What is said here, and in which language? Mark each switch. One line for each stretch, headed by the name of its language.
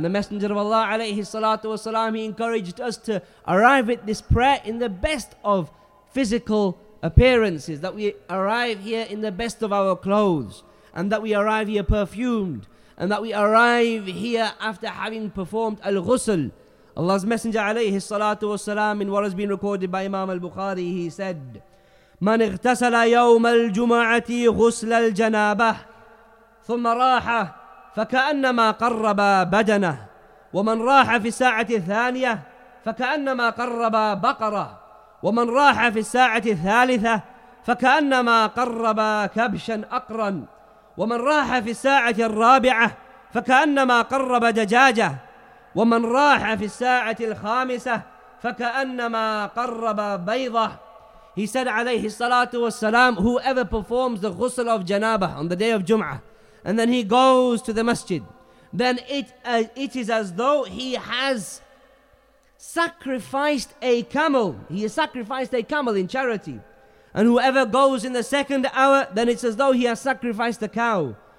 English: And the Messenger of Allah alayhi salatu wasalam, he encouraged us to arrive at this prayer in the best of physical appearances, that we arrive here in the best of our clothes, and that we arrive here perfumed, and that we arrive here after having performed al-ghusl. Allah's Messenger alayhi salatu wasalam, in what has been recorded by Imam al-Bukhari, he said,
Arabic: من اغتسل يوم الجمعة غسل الجنابة ثم راح فكأنما قرب بدنه ومن راح في الساعة الثانية فكأنما قرب بقرة ومن راح في الساعة الثالثة فكأنما قرب كبشا أقرا ومن راح في الساعة الرابعة فكأنما قرب دجاجة ومن راح في الساعة الخامسة فكأنما قرب بيضة.
English: He said alayhi salatu wasalam, whoever performs the ghusl of janabah on the day of Jum'ah and then he goes to the masjid, then it is as though he has sacrificed a camel. He has sacrificed a camel in charity. And whoever goes in the second hour, then it's as though he has sacrificed a cow.